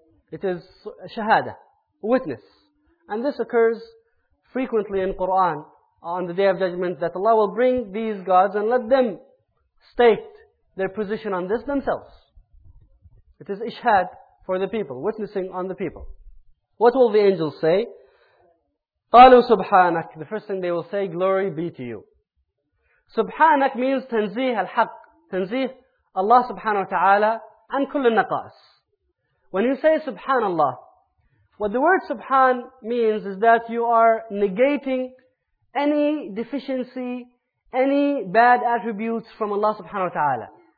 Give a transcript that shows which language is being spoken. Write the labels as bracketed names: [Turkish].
[English] It is shahada, witness. And this occurs frequently in Quran on the Day of Judgment, that Allah will bring these gods and let them state their position on this themselves. It is ishhad for the people, witnessing on the people. What will the angels say? [Arabic] قَالُوا سُبْحَانَكَ. [English] The first thing they will say, glory be to you. [Arabic] سُبْحَانَكَ [English] means [Arabic] تَنْزِيه الْحَقِّ. تَنْزِيه Allah subhanahu wa ta'ala عَنْ كُلِّ النَّقَاسِ. [English] When you say subhanallah, what the word subhan means is that you are negating any deficiency, any bad attributes from Allah subhanahu wa ta'ala.